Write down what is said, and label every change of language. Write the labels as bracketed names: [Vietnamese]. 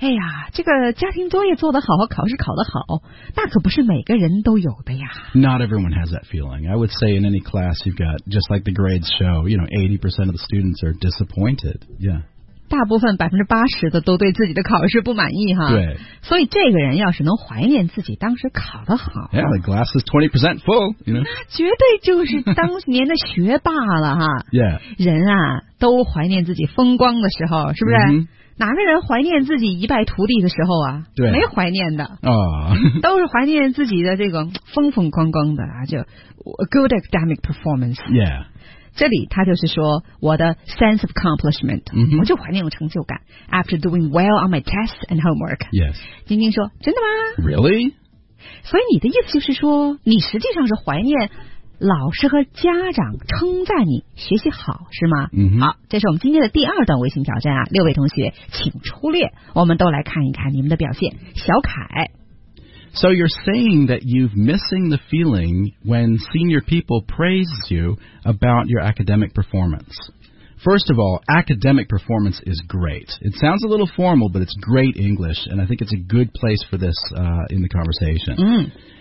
[Chinese] 哎呀，这个家庭作业做得好和考试考得好，那可不是每个人都有的呀。 [English] Not everyone has that feeling. I would say in any class, you've got just like the grades show. You know, 80% of the students are disappointed. Yeah. [Chinese] 大部分80%的都对自己的考试不满意哈，对，所以这个人要是能怀念自己当时考得好 [English] ，Yeah, the glass is 20% full, you know, [Chinese] 绝对就是当年的学霸了哈。 [English] Yeah, [Chinese] 人啊都怀念自己风光的时候，是不是？ [English] Mm-hmm. [Chinese] 哪个人怀念自己一败涂地的时候啊？对，没怀念的啊，都是怀念自己的这个风风光光的啊，就 [English] good academic performance。 Yeah， [Chinese] 这里他就是说我的 [English] sense of accomplishment，、 mm-hmm. [Chinese] 我就怀念有成就感。 [English] After doing well on my tests and homework。 Yes， [Chinese] 晶晶说真的吗 [English] ？Really？ [Chinese] 所以你的意思就是说，你实际上是怀念。老师和家长称赞你学习好是吗？嗯，好，这是我们今天的第二段微信挑战啊，六位同学请出列，我们都来看一看你们的表现。小凯 [English] ，So you're saying that you've missing the feeling when senior people praises you about your academic performance. First of all, academic performance is great. It sounds a little formal, but it's great English, and I think it's a good place for this、in the conversation.